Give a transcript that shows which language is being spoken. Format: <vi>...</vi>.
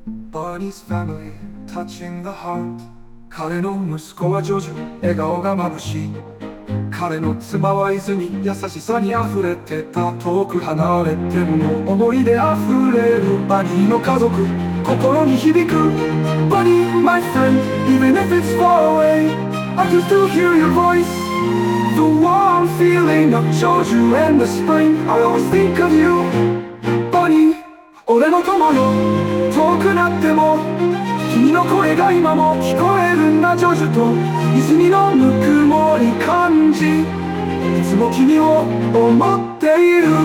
<en>Bunny's family, touching the heart.</en> <ja>彼の息子はジョジュ、笑顔がまぶしい。彼の妻はイズミ、優しさに溢れてた。遠く離れても思い出溢れる。 Bunny の家族、心に響く。</ja> <en>Bunny, my friend, even if it's far away, I can still hear your voice. The warm feeling of Georgiou in the spring, I always think of you.</en> <ja>俺の友よ、遠くなっても君の声が今も聞こえるんだ。ジョジュと泉のぬくもり感じ、いつも君を思っている。</ja>